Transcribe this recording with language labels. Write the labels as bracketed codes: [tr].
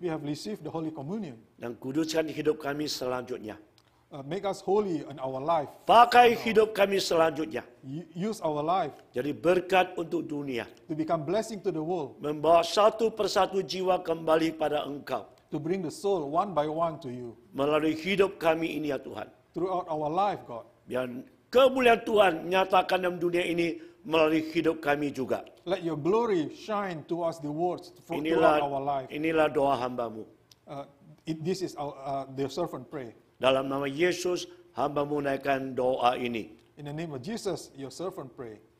[en] We have received the Holy Communion. [id] Dan kuduskan hidup kami selanjutnya. [en] Make us holy in our life. [id] Pakai hidup kami selanjutnya. [en] Use our life. [id] Jadi berkat untuk dunia. [en] To become blessing to the world. [id] Membawa satu persatu jiwa kembali pada Engkau. [en] To bring the soul one by one to you. [id] Melalui hidup kami ini, ya Tuhan. [en] Throughout our life, God. [id] Biar kemuliaan Tuhan nyatakan dalam dunia ini melalui hidup kami juga. [en] Let your glory shine to us the words for throughout our life. [id] Inilah doa hambamu. [en] This is the servant pray. [id] Dalam nama Yesus, hambamu naikkan doa ini. [en] In the name of Jesus, your servant pray.